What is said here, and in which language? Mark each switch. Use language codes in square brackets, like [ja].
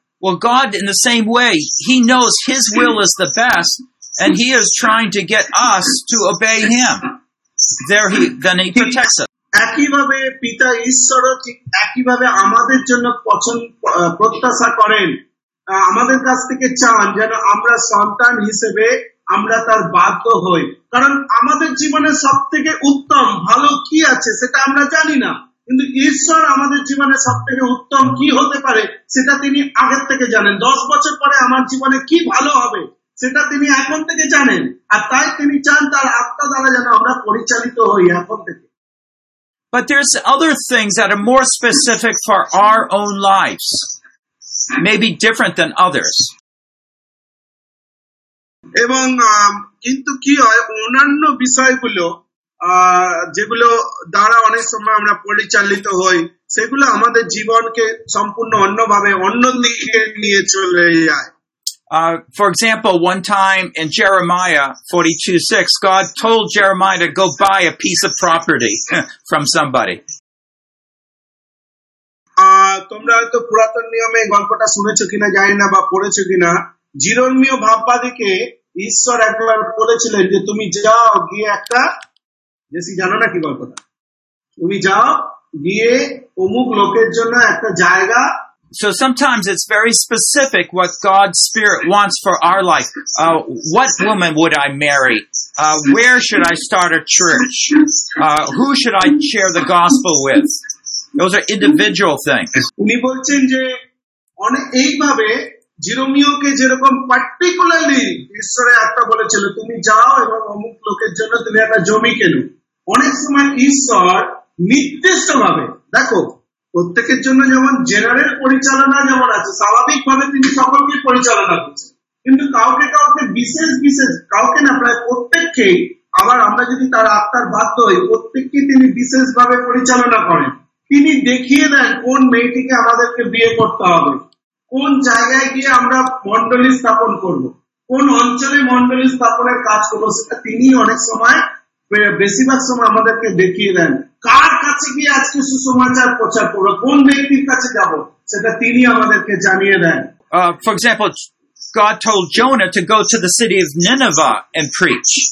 [en] Well, God, in the same way, he knows his will is the best, and he is trying to get us to obey him. There he, then he protects us. [bn] একইভাবে পিতা ঈশ্বরও ঠিক একইভাবে আমাদের জন্য প্রত্যাশা করেন, আমাদের কাছ থেকে চান যেন আমরা সন্তান হিসেবে আমরা তার বাধ্য হই। কারণ আমাদের জীবনে সব থেকে উত্তম ভালো কি আছে সেটা আমরা জানি না, কিন্তু ঈশ্বর আমাদের জীবনে সব থেকে উত্তম কি হতে পারে সেটা তিনি আগের থেকে জানেন। 10 পরে আমার জীবনে কি ভালো হবে সেটা তিনি এখন থেকে জানেন, আর তাই তিনি চান তার আত্মা দ্বারা যেন আমরা পরিচালিত হই এখন থেকে। [en] But there's other things that are more specific for our own lives, maybe different than others. [bn] এবং কিন্তু কি হয় অন্যান্য বিষয়গুলো যেগুলো দ্বারা অনেক সময় আমরা পরিচালিত হই সেগুলো আমাদের জীবনকে সম্পূর্ণ অন্যভাবে অন্যদিকে নিয়ে চলে যায়। [en] For example, one time in Jeremiah 42:6, God told Jeremiah to go buy a piece of property from somebody. [bn] তোমরা হয়তো পুরাতন নিয়মে গল্পটা শুনেছো কিনা জানি না বা পড়েছো কিনা, জিরোনিও ভাববাদীকে ঈশ্বর একবার বলেছিলেন যে তুমি যাও গিয়ে একটা, বেশি জানো নাকি গল্পটা, তুমি যাও গিয়ে অমুক লোকের জন্য একটা জায়গা। [en] So sometimes it's very specific what God's Spirit wants for our life. What woman would I marry? Where should I start a church? Who should I share the gospel with? Those are individual things. [bn] উনি বলছেন যে এইভাবে জিরোমিওকে যেরকম particularly ঈশ্বরে একটা বলেছিল তুমি যাও এবং অমুক লোকের জন্য তুমি একটা জমি কেনো। অনেক সময় ঈশ্বর নির্দিষ্ট ভাবে, দেখো প্রত্যেকের জন্য যেমন জেনারেল পরিচালনা যেমন আছে স্বাভাবিক ভাবে তিনি সকলকে পরিচালনা করছেন, কিন্তু কাউকে কাউকে বিশেষ বিশেষ কাউকে না প্রায় প্রত্যেককে, আবার আমরা যদি তার আত্মার বাধ্য হই প্রত্যেককে তিনি বিশেষ ভাবে পরিচালনা করেন। তিনি দেখিয়ে দেন কোন মেয়েটিকে আমাদেরকে বিয়ে করতে হবে, কোন জায়গায় গিয়ে আমরা মণ্ডলী স্থাপন করব, কোন অঞ্চলে মণ্ডলী স্থাপনের কাজ করবো সেটা তিনি অনেক সময় বেশিরভাগ সময় আমাদেরকে দেখিয়ে দেন। কার কাছে গিয়ে আজকে সুসমাচার প্রচার করবো, কোন ব্যক্তির কাছে যাবো সেটা তিনি আমাদেরকে জানিয়ে দেন। [en] For example, God told Jonah to go to the city of Nineveh and preach.